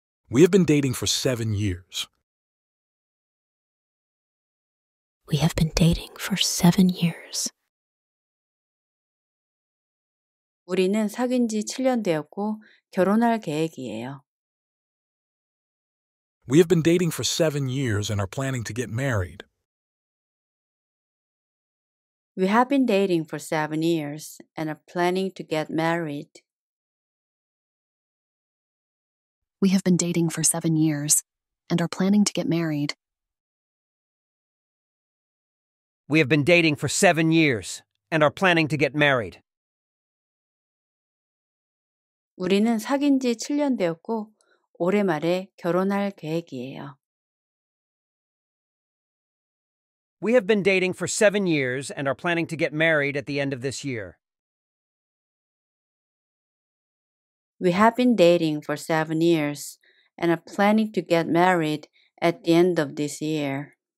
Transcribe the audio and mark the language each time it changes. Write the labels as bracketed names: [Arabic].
[English] We have been dating for 7 years. We have been dating for 7 years. [Korean] 우리는 사귄 지 7년 되었고 결혼할 계획이에요. [English] We have been dating for 7 years and are planning to get married. We have been dating for 7 years and are planning to get married. We have been dating for 7 years and are planning to get married. We have been dating for 7 years and are planning to get married. [Korean] 우리는 사귄 지 7년 되었고 올해 말에 결혼할 계획이에요. [English] We have been dating for 7 years and are planning to get married at the end of this year. We have been dating for 7 years and are planning to get married at the end of this year.